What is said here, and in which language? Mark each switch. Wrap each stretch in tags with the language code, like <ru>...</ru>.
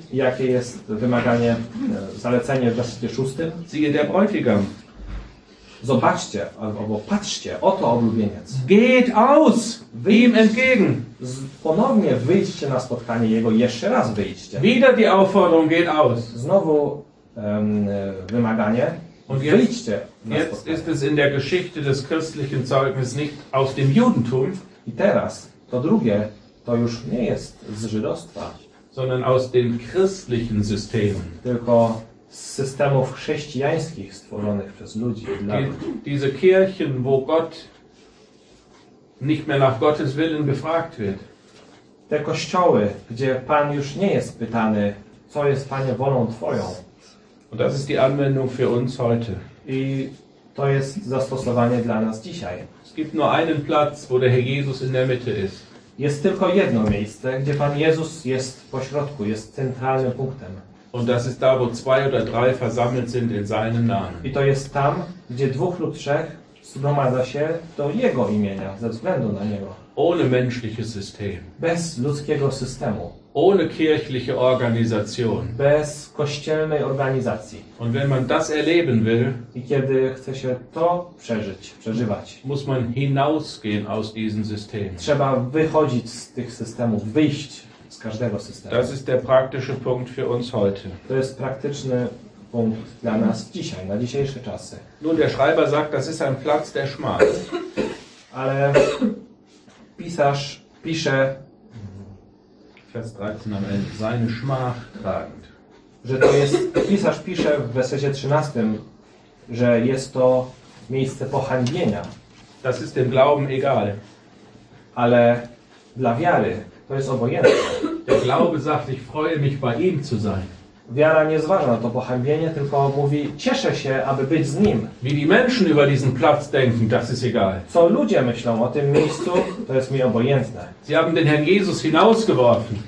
<pl>Jakie jest wymaganie, zalecenie w wersie 6?</pl> <de>Siehe der Bräutigam.</de> <pl>Zobaczcie, albo patrzcie, oto oblubieniec.</pl> <de>Geht aus! Ihm entgegen!</de> <pl>Ponownie wyjdźcie na spotkanie Jego, jeszcze raz wyjdźcie.</pl> <de>Wieder die Aufforderung, geht aus!</de> <pl>Znowu wymaganie. Und wyjdźcie</pl> <de>jetzt,</de> <pl>na spotkanie.</pl> <de>Jetzt ist es in der Geschichte des christlichen Zeugnis nicht aus dem Judentum.</de> <pl>I teraz to drugie to już nie jest z żydostwa,</pl> <de>sondern aus den christlichen Systemen.</de> <pl>Tylko systemów chrześcijańskich stworzonych przez ludzi dla</pl> <de>diese Kirchen, wo Gott nicht mehr nach Gottes Willen befragt wird.</de> <pl>Te kościoły, gdzie Pan już nie jest pytany, co jest Panie wolą Twoją.</pl> <de>Und das ist die Anwendung für uns heute.</de> <pl>I to jest zastosowanie dla nas dzisiaj.</pl> <de>Es gibt nur einen Platz, wo der Herr Jesus in der Mitte ist.</de> <pl>Jest tylko jedno miejsce, gdzie Pan Jezus jest pośrodku, jest centralnym punktem.</pl> <de>Und das ist da, wo zwei oder drei versammelt sind in seinem Namen.</de> <pl>I to jest tam, gdzie dwóch lub trzech zgromadza się do Jego imienia, ze względu na Niego.</pl> <de>Ohne menschliches System.</de> <pl>Bez ludzkiego systemu.</pl> <de>Ohne kirchliche Organisation.</de> <pl>Bez kościelnej organizacji.</pl> <de>Und wenn man das erleben will,</de> <pl>i kiedy chce się to przeżywać,</pl> <de>muss man hinausgehen aus diesen Systemen.</de> <pl>Trzeba wychodzić z tych systemów, wyjść z każdego systemu.</pl> <de>Das ist der praktische Punkt für uns heute.</de> <pl>To jest praktyczny punkt dla nas dzisiaj, na dzisiejsze czasy.</pl> <de>Nun, der Schreiber sagt, das ist ein Platz, der schmal.</de> <pl>Ale pisarz pisze,</pl> <de>Vers 13 am Ende, seine Schmach tragend.</de> <pl>Że to jest, pisarz pisze w wersecie 13, że jest to miejsce pohańbienia.</pl> <de>Das ist dem Glauben egal.</de> <pl>Ale dla wiary to jest obojętne.</pl> <de>Der Glaube sagt, ich freue mich bei ihm zu sein.</de> <pl>Wiara nie zważa na to pohańbienie, tylko mówi, cieszę się, aby być z nim.</pl> <de>Wie die Menschen über diesen Platz denken, das ist egal.</de> <pl>Co ludzie myślą o tym miejscu, to jest mi obojętne.</pl> <de>Sie haben den Herrn Jesus hinausgeworfen.</de>